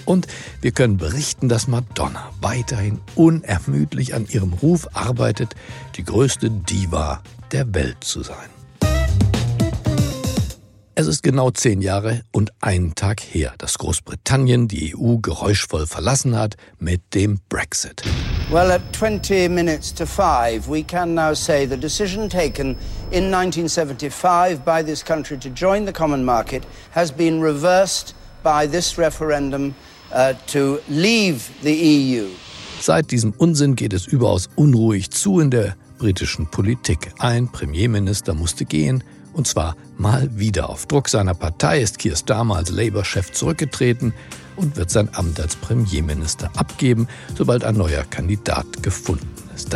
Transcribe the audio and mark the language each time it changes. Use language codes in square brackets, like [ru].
[de] Und wir können berichten, dass Madonna weiterhin unermüdlich an ihrem Ruf arbeitet, die größte Diva der Welt zu sein. Es ist genau 10 Jahre und einen Tag her, dass Großbritannien die EU geräuschvoll verlassen hat mit dem Brexit. [en] Well, at 5:20, we can now say the decision taken in 1975 by this country to join the common market has been reversed by this referendum to leave the EU. [de] Seit diesem Unsinn geht es überaus unruhig zu in der britischen Politik. Ein Premierminister musste gehen. Und zwar mal wieder. Auf Druck seiner Partei ist Keir Starmer als Labour-Chef zurückgetreten und wird sein Amt als Premierminister abgeben, sobald ein neuer Kandidat gefunden ist.